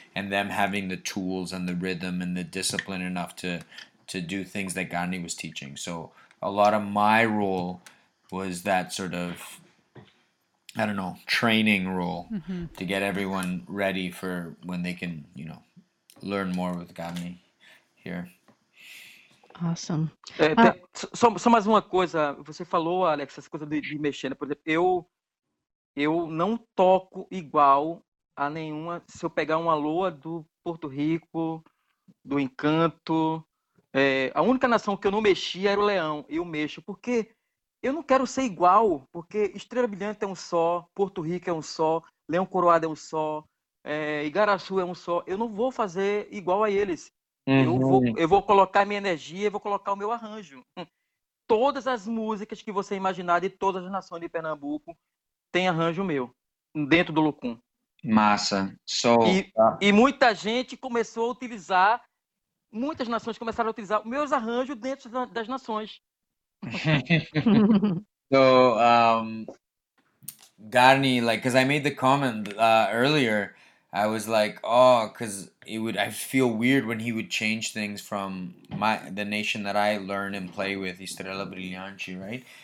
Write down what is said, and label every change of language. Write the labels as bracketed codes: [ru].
[en] And them having the tools and the rhythm and the discipline enough to do things that Garni was teaching. So a lot of my role was that sort of, I don't know, training role to get everyone ready for when they can, you know, learn more with Garni here. Awesome. [pt] Só mais uma coisa. Você falou, Alex, essa coisa de mexer. Por exemplo, eu não toco igual a nenhuma. Se eu pegar uma loa do Porto Rico, do Encanto, a única nação que eu não mexia era o Leão. Eu mexo porque eu não quero ser igual, porque Estrela Brilhante é um só, Porto Rico é um só, Leão Coroado é um só, Igarassu é um só. Eu não vou fazer igual a eles. Eu vou colocar minha energia, eu vou colocar o meu arranjo. Todas as músicas que você imaginar de todas as nações de Pernambuco tem arranjo meu dentro do Locum. Massa. [en] So, [pt] e muita gente começou a utilizar muitas nações começaram a utilizar meus arranjos dentro das nações. [en] So, Garni, like, because I made the comment earlier, I was like, oh, because it would, I feel weird when he would change things from my, the nation that I learn and play with, Estrella Brilhante, right?